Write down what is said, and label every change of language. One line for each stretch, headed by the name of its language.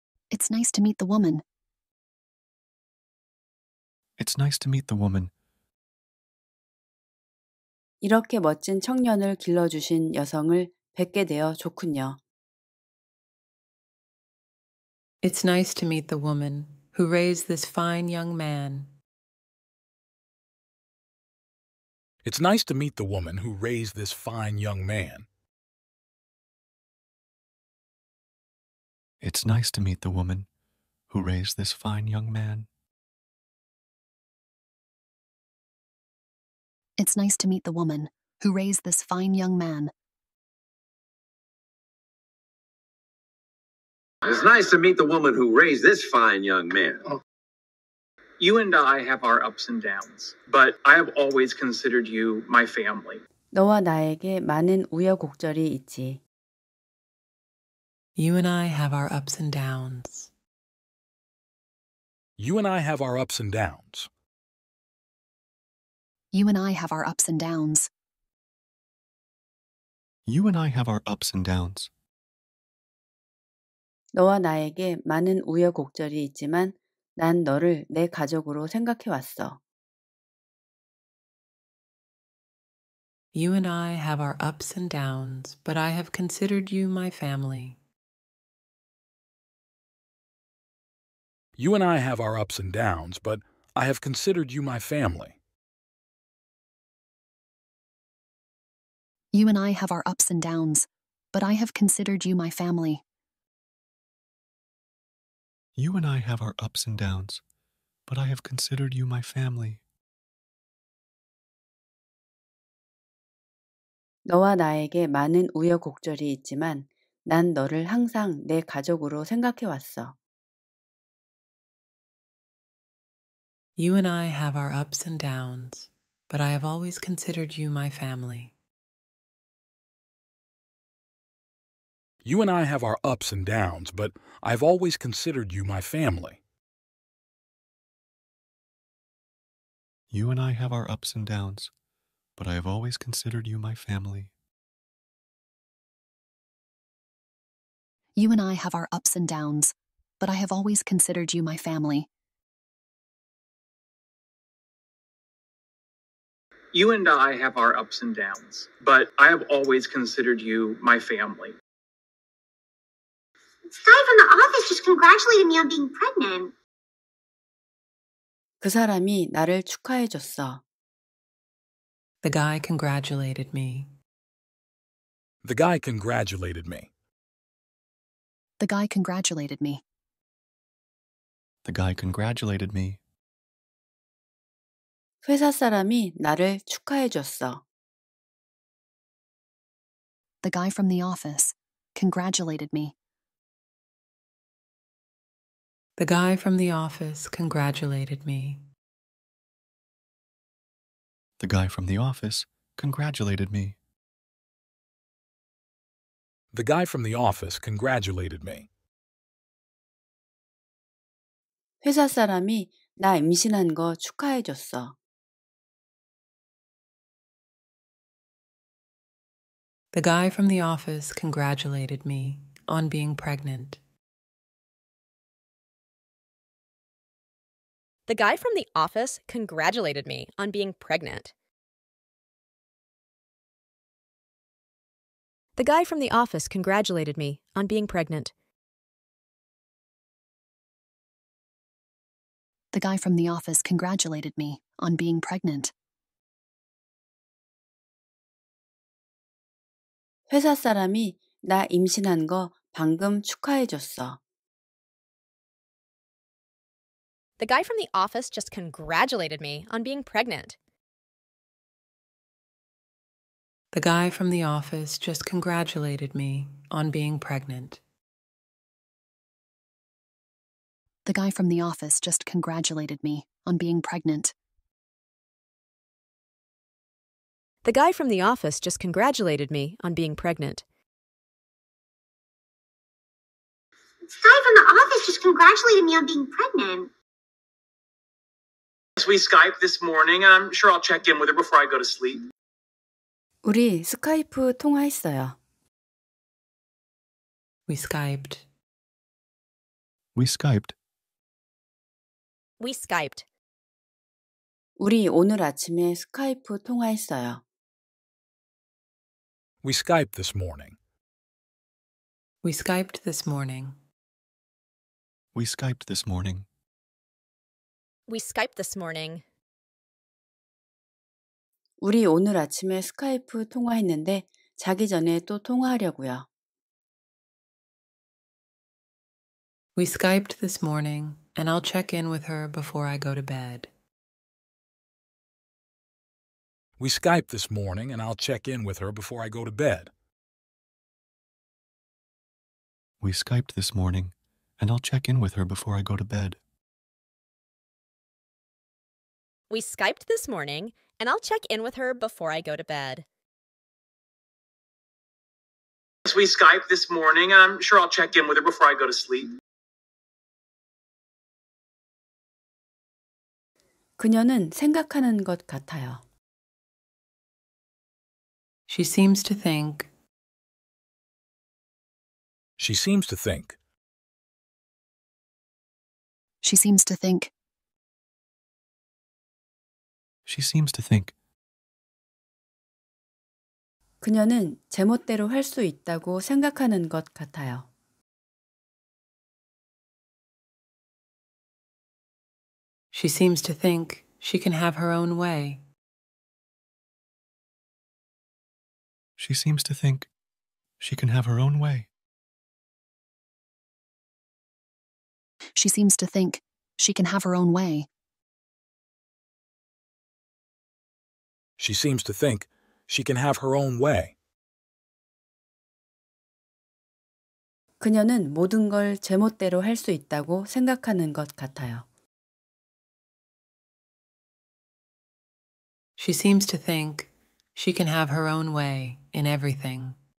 English: It's nice to meet the woman. It's nice to meet the woman.
Korean: 이렇게 멋진 청년을 길러주신 여성을 뵙게 되어 좋군요.
English: It's nice to meet the woman who raised this fine young man. It's nice to meet the woman who raised this fine young man. It's nice to meet the woman who raised this fine young man. It's nice to meet the woman who raised this fine young man. It's nice to meet the woman who raised this fine young man. You and I have our ups and downs, but I have always considered you my family.
Korean: 너와 나에게 많은 우여곡절이 있지.
English: You and I have our ups and downs. You and I have our ups and downs. You and I have our ups and downs. You and I have our ups and downs.
Korean: 너와 나에게 많은 우여곡절이 있지만 난 너를 내 가족으로 생각해 왔어.
English: You and I have our ups and downs, but I have considered you my family. You and I have our ups and downs, but I have considered you my family. You and I have our ups and downs, but I have considered you my family. You and I have our ups and downs, but I have considered you my family.
Korean: 너와 나에게 많은 우여곡절이 있지만 난 너를 항상 내 가족으로 생각해 왔어.
English: You and I have our ups and downs, but I have always considered you my family. You and I have our ups and downs, but I've always considered you my family. You and I have our ups and downs, but I have always considered you my family. You and I have our ups and downs, but I have always considered you my family. You and I have our ups and downs, but I have always considered you my family. Guy from the office just congratulated me on being pregnant.
Korean: 그 사람이 나를 축하해 줬어.
English: The guy congratulated me. The guy congratulated me. The guy congratulated me. The guy congratulated me.
Korean: 회사 사람이 나를 축하해 줬어.
English: The guy from the office congratulated me. The guy from the office congratulated me. The guy from the office congratulated me. The guy from the office congratulated me.
Korean: 회사 사람이 나 임신한 거 축하해 줬어.
English: The guy from the office congratulated me on being pregnant. The guy from the office congratulated me on being pregnant. The guy from the office congratulated me on being pregnant. The guy from the office congratulated me on being pregnant.
Korean: 회사 사람이 나 임신한 거 방금 축하해 줬어.
English: The guy from the office just congratulated me on being pregnant. The guy from the office just congratulated me on being pregnant. The guy from the office just congratulated me on being pregnant. The guy from the office just congratulated me on being pregnant. The guy from the office just congratulated me on being pregnant. As we Skype this morning, I'm sure I'll check in with her before I go to sleep.
Korean: 우리 스카이프 통화했어요.
English: We Skyped. We Skyped. We Skyped.
Korean: 우리 오늘 아침에 스카이프 통화했어요.
English: We Skyped this morning. We Skyped this morning. We Skyped this morning. We Skyped this morning.
Korean: 우리 오늘 아침에 스카이프 통화했는데 자기 전에 또 통화하려고요.
English: We Skyped this morning, and I'll check in with her before I go to bed. We Skyped this morning, and I'll check in with her before I go to bed. We Skyped this morning, and I'll check in with her before I go to bed. We Skyped this morning, and I'll check in with her before I go to bed. As we Skyped this morning, I'm sure I'll check in with her before I go to sleep.
Korean: 그녀는 생각하는 것 같아요.
English: She seems to think. She seems to think. She seems to think. She seems to think.
Korean: 그녀는 제멋대로 할 수 있다고 생각하는 것 같아요.
English: She seems to think she can have her own way. She seems to think she can have her own way. She seems to think she can have her own way. She seems to think she can have her own way.
Korean: 그녀는 모든 걸 제멋대로 할 수 있다고 생각하는 것 같아요.
English: She seems to think she can have her own way in everything.